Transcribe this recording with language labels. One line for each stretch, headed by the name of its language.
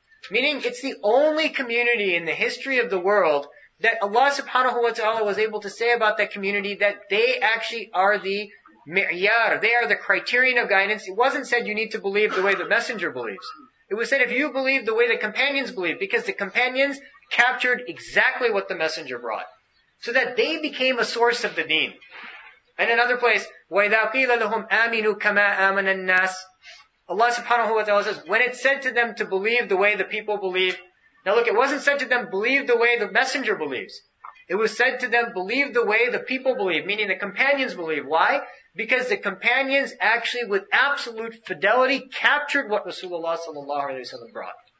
English: Meaning, it's the only community in the history of the world that Allah subhanahu wa ta'ala was able to say about that community that they actually are the mi'yar. They are the criterion of guidance. It wasn't said you need to believe the way the messenger believes. It was said if you believe the way the companions believe, because the companions captured exactly what the messenger brought. So that they became a source of the deen. And another place,
Arabic: وَإِذَا قِيلَ لَهُمْ آمِنُوا كَمَا آمَنَ النَّاسِ.
English: Allah subhanahu wa ta'ala says, when it said to them to believe the way the people believe. Now look, it wasn't said to them, believe the way the messenger believes. It was said to them, believe the way the people believe, meaning the companions believe. Why? Because the companions actually with absolute fidelity captured what Rasulullah sallallahu alayhi wa sallam brought.